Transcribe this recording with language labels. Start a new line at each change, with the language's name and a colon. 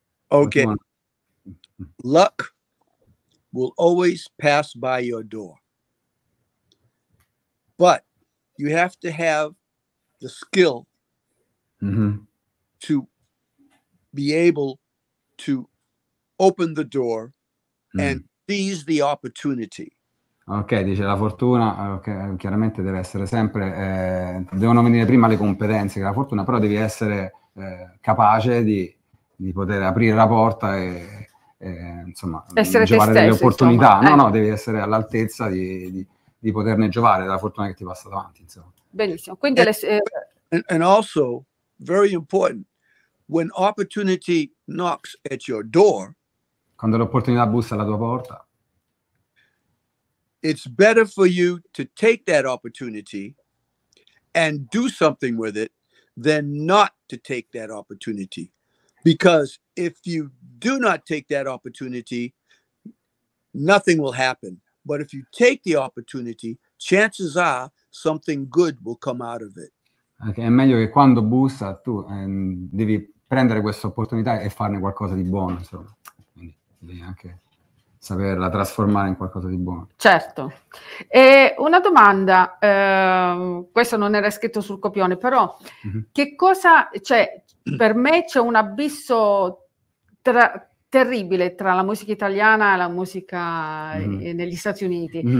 English: Okay. Luck will always pass by your door. But you have to have the skill to be able to open the door and seize the opportunity.
Italian: Ok, dice la fortuna, okay, chiaramente deve essere sempre, devono venire prima le competenze che la fortuna, però devi essere capace di poter aprire la porta e insomma, essere giovare te stesso, delle opportunità. Insomma, No, devi essere all'altezza di poterne giovare della fortuna che ti passa davanti, insomma. Benissimo. Quindi
English: and also, very important, when opportunity knocks at your door,
Italian: quando l'opportunità bussa alla tua porta,
English: it's better for you to take that opportunity and do something with it than not to take that opportunity. Because if you do not take that opportunity, nothing will happen. But if you take the opportunity, chances are something good will come out of it.
Italian: Okay, è meglio che quando bussa tu devi prendere questa opportunità e farne qualcosa di buono, insomma. Quindi devi anche saperla trasformare in qualcosa di buono. Certo. E una domanda, questo non era scritto sul copione, però che cosa, cioè, per me c'è un abisso terribile tra la musica italiana e la musica negli Stati Uniti.